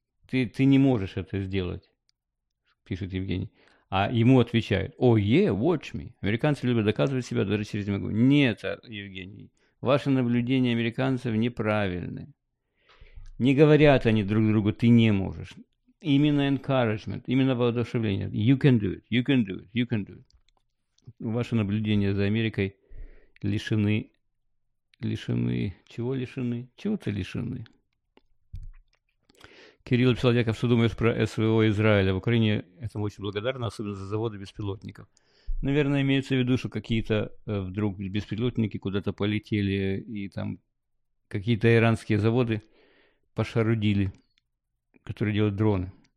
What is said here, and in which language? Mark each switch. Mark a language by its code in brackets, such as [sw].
[ru] Ты не можешь это сделать, пишет Евгений. А ему отвечают. [en] Oh yeah, watch me. [ru] Американцы любят доказывать себя даже через могу. Нет, Евгений, ваши наблюдения американцев неправильны. Не говорят они друг другу, ты не можешь. Именно encouragement, именно воодушевление. [en] You can do it, you can do it, you can do it. [ru] Ваши наблюдения за Америкой лишены, чего лишены? Чего-то лишены. Кирилл писал, Яков, что думаешь про СВО Израиля? В Украине этому очень благодарна, особенно за заводы беспилотников. Наверное, имеется в виду, что какие-то вдруг беспилотники куда-то полетели, и там какие-то иранские заводы пошарудили, которые делают дроны.